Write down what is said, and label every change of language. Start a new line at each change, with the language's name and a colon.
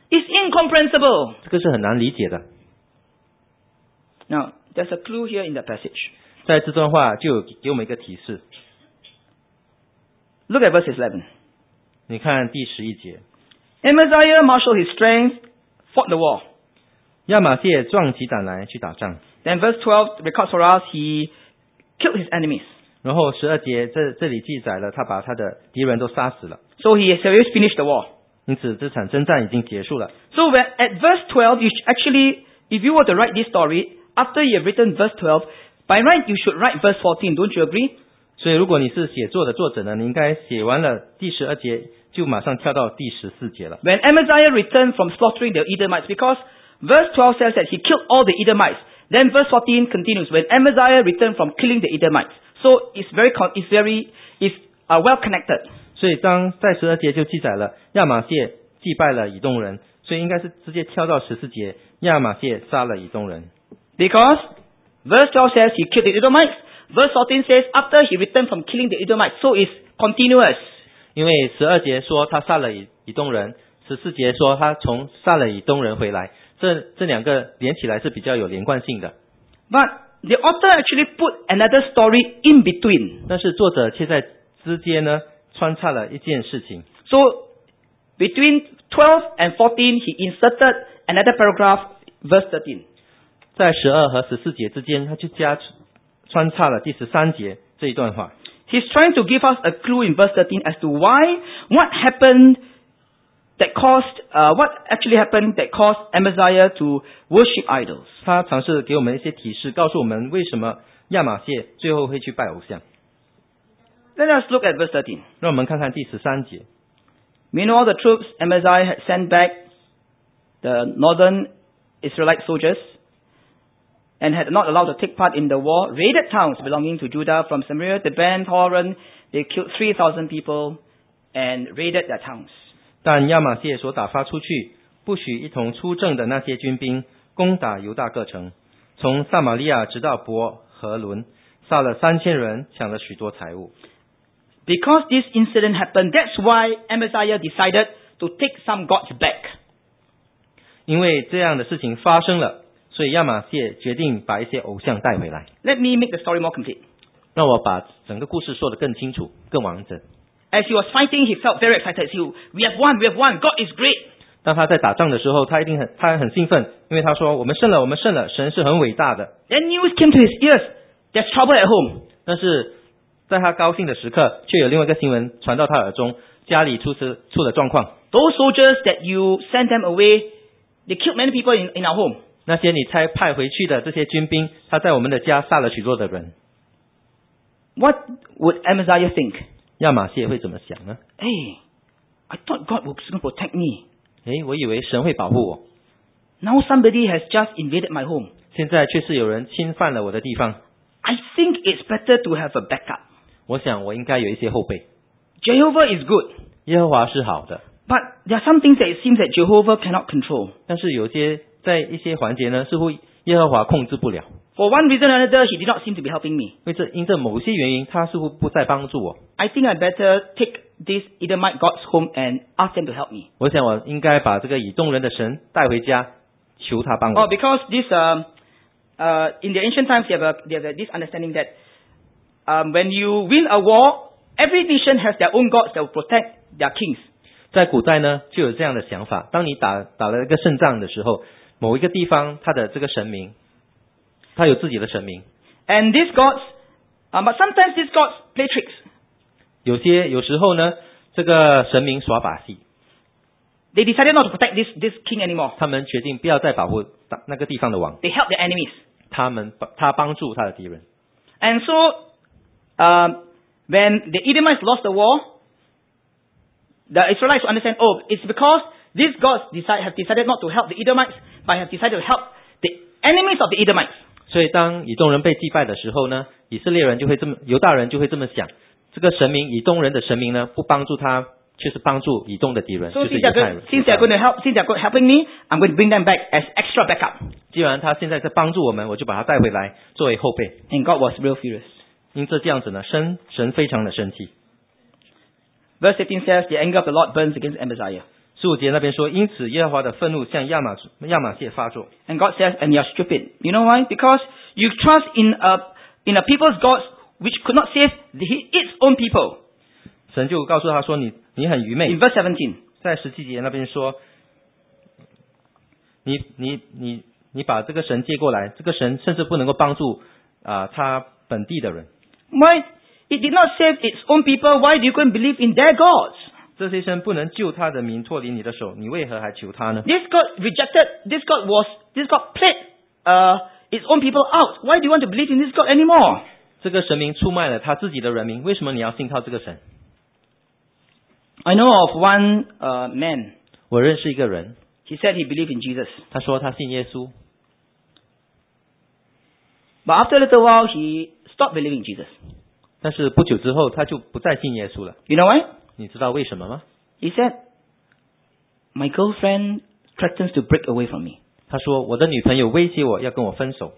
English: ？It's incomprehensible.
Chinese: 这个是很难理解的。
English: Now, there's a clue here in the passage.
Chinese: 在这段话就有给我们一个提示。
English: Look at verse 11.
Chinese: 你看第十一节。
English: Amaziah marshaled his strength, fought the war.
Chinese: 亚玛谢壮起胆来去打仗。
English: Then verse 12 records for us he killed his enemies.
Chinese: 然后十二节 这里记载了他把他的敌人都杀死了。
English: So he has already finished the war.
Chinese: 因此这场征战已经结束了。
English: So when, at verse 12, you actually, if you were to write this story, after you have written verse 12, by right you should write verse 14, don't you agree?
Chinese: 所以如果你是写作的作者呢，你应该写完了第十二节就马上跳到第十四节了。
English: When Amaziah returned from slaughtering the Edomites, because verse 12 says that he killed all the Edomites, then verse 14 continues, when Amaziah returned from killing the Edomites,So it's well connected.
Chinese: 所以当在十二节就记载了亚玛谢击败了以东人，所以应该是直接跳到十四节，亚玛谢杀了以东人。
English: Because verse 12 says he killed the Edomites. Verse 14 says after he returned from killing the Edomites, so it's continuous.
Chinese: 因为十二节说他杀了以东人，十四节说他从杀了以东人回来，这两个连起来是比较有连贯性的。
English: But The author actually put another story in between.
Chinese: 但是作者却在之间呢穿插了一件事情。
English: So between 12 and 14, he inserted another paragraph, verse 13.
Chinese: 在12和14节之间，他就穿插了第13节这一段话。
English: He's trying to give us a clue in verse 13 as to why what happened that caused what actually happened that caused Amaziah to worship idols.
Chinese: 他尝试给我们一些提示，告诉我们为什么亚玛谢最后会去拜偶像。
English: Let us look at verse 13.
Chinese: 让我们看看第十三节。
English: Meanwhile, the troops Amaziah had sent back the northern Israelite soldiers and had not allowed to take part in the war raided towns belonging to Judah from Samaria to Ben Horon. They killed 3,000 people and raided their towns.
Chinese: 但亚玛谢所打发出去不许一同出征的那些军兵攻打犹大各城，从撒玛利亚直到伯和伦，杀了3000人，抢了许多财物。
English: Because this incident happened, that's why Amaziah decided to take some gods back.
Chinese: 因为这样的事情发生了，所以亚玛谢决定把一些偶像带回来。
English: Let me make the story more complete.
Chinese: 让我把整个故事说得更清楚更完整。
English: As he was fighting, he felt very excited. He, we have won, we have won. God is great.
Chinese: 当他在打仗的时候，他很兴奋，因为他说：“我们胜了，我们胜了，神是很伟大的。”
English: Then news came to his ears. There's trouble at home.
Chinese: 但是在他高兴的时刻，却有另外一个新闻传到他耳中，家里出了状况。
English: Those soldiers that you sent them away, they killed many people in our home.
Chinese: 那些你才派回去的这些军兵，他在我们的家杀了许多的人。
English: What would Amaziah think?
Chinese: 亚玛谢会怎么想呢
English: ？Hey, I thought God was going to protect me.
Chinese: 哎，我以为神会保护我。
English: Now somebody has just invaded my home.
Chinese: 现在却是有人侵犯了我的地方。
English: I think it's better to have a backup.
Chinese: 我想我应该有一些后备。
English: Jehovah is good.
Chinese: 耶和华是好的。
English: But there are some things that it seems that Jehovah cannot control.
Chinese: 但是有些在一些环节呢，似乎耶和华控制不了。
English: For one reason or another, he did not seem to be helping me.
Chinese: 因着某些原因，他似乎不再帮助我。
English: I think I better take this Edomite gods home and ask them to help me.
Chinese: 我想我应该把这个以东人的神带回家，求他帮我。
English: Oh, because this, in the ancient times, they have this understanding that, when you win a war, every nation has their own gods that will protect their kings.
Chinese: 在古代呢，就有这样的想法。当你打了一个胜仗的时候，某一个地方他的这个神明。他有自己的神明。
English: And these gods, but sometimes these gods play tricks.
Chinese: 有时候呢，这个神明耍把戏。
English: They decided not to protect this king anymore.
Chinese: 他们决定不要再保护那个地方的王。
English: They help their enemies.
Chinese: 他帮助他的敌人。
English: And so, when the Edomites lost the war, the Israelites understand, oh, it's because these gods have decided not to help the Edomites, but have decided to help the enemies of the Edomites.
Chinese: 所以当以东人被击败的时候呢，以色列人就会这么，犹大人就会这么想，这个神明，以东人的神明呢，不帮助他，却是帮助以东的敌人，就是犹太人。
English: Since they're going to help, since they're going helping me, I'm going to bring them back as extra backup.
Chinese: 既然他现在在帮助我们，我就把他带回来作为后备。
English: And God was real furious.
Chinese: 因此这样子呢，神非常的生气。
English: Verse 18 says, "The anger of the Lord burns against Amaziah."
Chinese: 十五节那边说，因此耶和华的愤怒向亚玛谢发作。
English: And God says, and you're stupid. You know why? Because you trust in a people's gods which could not save its own people.
Chinese: 神就告诉他说，你很愚昧。
English: In verse 17,
Chinese: 在十七节那边说，你把这个神借过来，这个神甚至不能够帮助他本地的人。
English: Why it did not save its own people? Why do you go and believe in their gods?
Chinese: 这些神不能救他的民脱离你的手，你为何还求他呢？
English: This God rejected. This God was. This God played its own people out. Why do you want to believe in this God anymore?
Chinese: 这个神明出卖了他自己的人民，为什么你要信靠这个神？
English: I know of one man.
Chinese: 我认识一个人。
English: He said he believed in Jesus.
Chinese: 他说他信耶稣。
English: But after a little while, he stopped believing Jesus.
Chinese: 但是不久之后，他就不再信耶稣了。
English: You know why?
Chinese: 你知道为什么吗？
English: He said, "My girlfriend threatens to break away from me."
Chinese: 他说我的女朋友威胁我要跟我分手。